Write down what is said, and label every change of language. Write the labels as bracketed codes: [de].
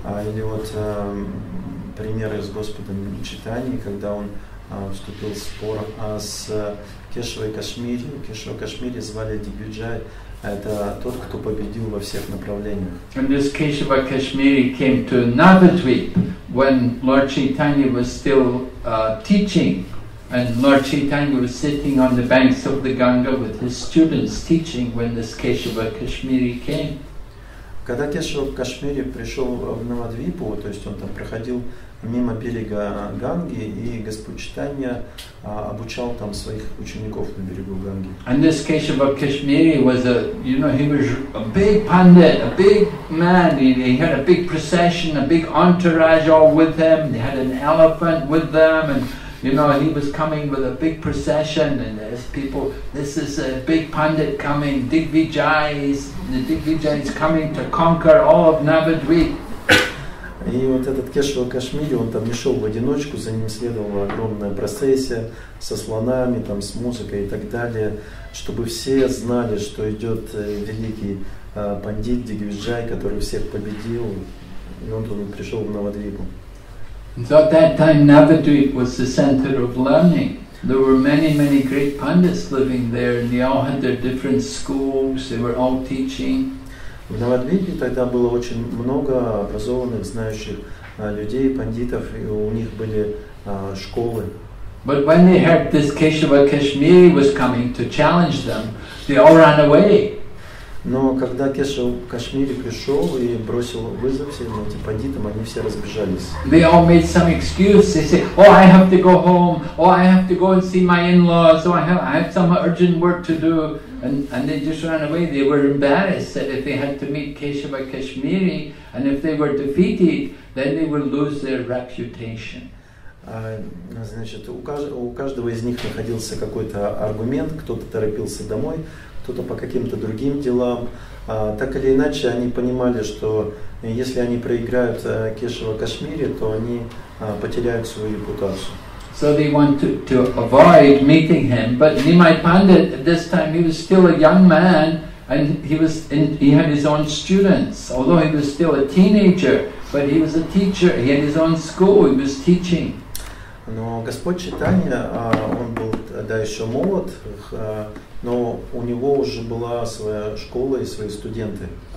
[ru] Или вот пример из Господа Чайтаньи, когда он вступил в спор с Кешавой Кашмири. Кешава Кашмири звали Дигвиджай, это тот, кто победил во всех направлениях. [en] And this Кешава Кашмири came to Navadvip when Lord Chaitanya was still teaching. And Lord Chaitanya was sitting on the banks of the Ganga with his students teaching when this Keshava Kashmiri came. [ru] Когда Кешава Кашмири пришел в Навадвипу, то есть он там проходил мимо берега Ганги, и Господь Чайтанья обучал там своих учеников на берегу Ганги. [en] And this Keshava Kashmiri was he was a big pandit, a big man. He had a big procession, a big entourage all with him. They had an elephant with them, and he was coming with a big procession, and there's people, this is a big pandit coming, Digvijay is coming to conquer all of Navadvip. [ru] И вот этот Кешава Кашмири, он там не шел в одиночку, за ним следовала огромная процессия со слонами, там с музыкой и так далее, чтобы все знали, что идет великий пандит Дигвиджай, который всех победил, и он тут пришел в Навадвипу. [en] So at that time, Navadvip was the center of learning. There were many, many great pundits living there, and they all had their different schools, they were all teaching. [ru] В Навадвипе тогда было очень много образованных, знающих людей, пандитов, и у них были школы. [en] But when they heard this Keshava Kashmiri was coming to challenge them, they all ran away. [ru] Но когда Кешава Кашмири пришел и бросил вызов всем этим бандитам, они все разбежались. [en] They all made some excuse. They said, "Oh, I have to go home. Oh, I have to go and see my in-laws. Oh, I have some urgent work to do." And they just ran away. They were embarrassed that if they had to meet Keshava Kashmiri and if they were defeated, then they would lose their reputation. [ru] Значит, у каждого из них находился какой-то аргумент, кто-то торопился домой, кто-то по каким-то другим делам. Так или иначе, они понимали, что если они проиграют Кешава Кашмири, то они потеряют свою репутацию. [en] So they wanted to avoid meeting him, but Nimai Pandit at this time he was still a young man and he had his own students, although he was still a teenager, but he was a teacher, he had his own school, he was teaching. [ru] Но Господь Чайтанья, он был тогда еще молод, но у него уже была своя школа и свои студенты.